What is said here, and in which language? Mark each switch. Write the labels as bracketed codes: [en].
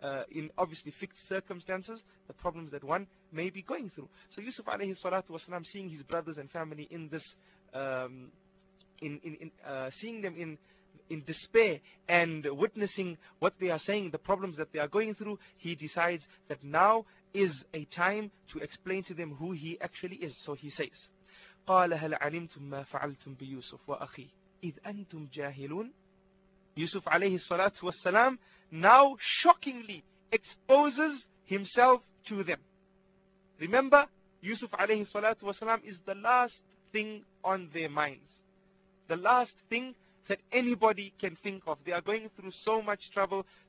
[en] In obviously fixed circumstances, the problems that one may be going through. So Yusuf alayhi salatu wasalam, seeing his brothers and family in this seeing them in despair and witnessing what they are saying, the problems that they are going through, he decides that now is a time to explain to them who he actually is. So he says, [ar] قَالَ هَلْ عَلِمْتُمْ مَا فَعَلْتُمْ بِيُوسُفُ وَأَخِي إِذْ أَنْتُمْ جَاهِلُونَ. [en] Yusuf alayhi salatu wasalam now shockingly exposes himself to them. Remember, Yusuf alayhi salatu wasalam is the last thing on their minds. The last thing that anybody can think of. They are going through so much trouble.